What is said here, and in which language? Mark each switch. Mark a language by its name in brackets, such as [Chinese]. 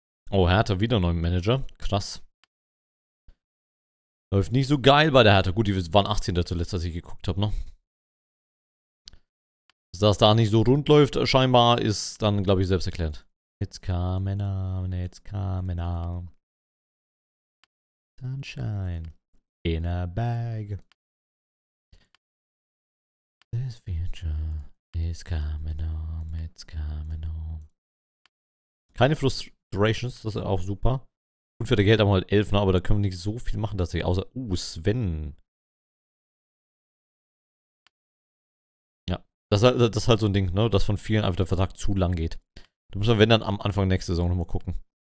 [German] Oh, Hertha wieder neuen Manager. Krass. Läuft nicht so geil bei der Hertha. Gut, die waren 18 zuletzt, als ich geguckt habe, ne? Dass das da nicht so rund läuft, scheinbar, ist dann, glaube ich, selbst erklärt. [English] It's coming on, it's coming on. Sunshine in a bag. This future is coming on, it's coming on. [German] Keine Frustrations, das ist auch super. Und für das Geld haben wir halt 11, ne? Aber da können wir nicht so viel machen, dass ich, außer, Sven. Ja, das ist halt so ein Ding, ne? Dass von vielen einfach der Vertrag zu lang geht. Da müssen wir, wenn dann, am Anfang nächste Saison nochmal gucken.